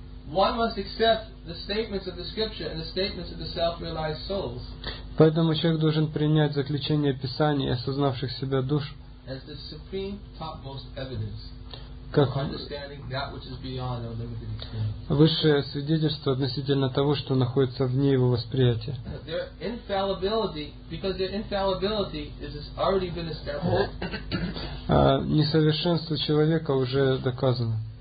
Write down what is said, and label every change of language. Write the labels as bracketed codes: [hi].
[en] One must accept the statements of the scripture and the statements of the self-realized souls. [ru] Поэтому человек должен принять заключение Писания и осознавших себя душ [en] as the supreme topmost evidence for understanding that which is beyond our limited experience. [ru] Высшее свидетельство относительно того, что находится вне его восприятия. [en] Their infallibility, because their infallibility has already been established. [ru] Несовершенство человека уже доказано.